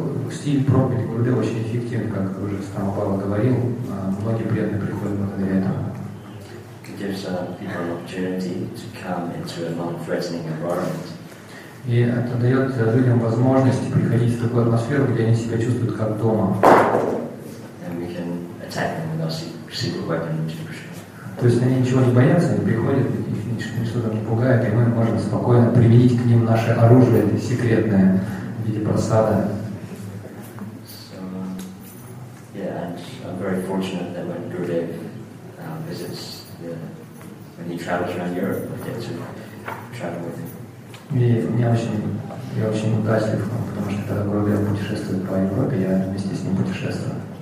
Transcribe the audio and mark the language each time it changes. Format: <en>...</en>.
<ru>Стиль проповеди Гурудева очень эффективен, как уже Стамбала говорил. Многие преданные приходят благодаря этому.</ru> <en>gives people an opportunity to come into a non-threatening environment.</en> <ru>И это дает людям возможность приходить в такую атмосферу, где они себя чувствуют как дома.</ru> <en>And we can attack them with our secret weapon intrusion.</en> <ru>То есть они ничего не боятся, они приходят, что-то не пугает, и мы можем спокойно применить к ним наше оружие секретное в виде просады.</ru> <en>So, yeah, and I'm very fortunate that when Gurudev visits, when he travels around Europe, I get to travel with him.</en> <ru>И я очень удачлив, потому что когда Гурудев путешествует по Европе, я вместе с ним путешествую.</ru>